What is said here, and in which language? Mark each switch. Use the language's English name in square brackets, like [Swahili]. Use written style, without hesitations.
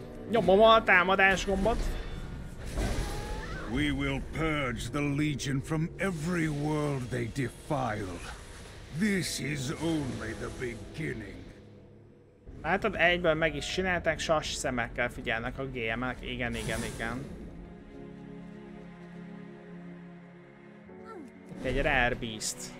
[Hungarian] Nyomom a támadás gombot. [English] We will purge the Legion from every world they defile. This is only the beginning. [Hungarian] Látod, egyből meg is csinálták, sas szemekkel figyelnek a GM-ek. Igen. egy rare beast.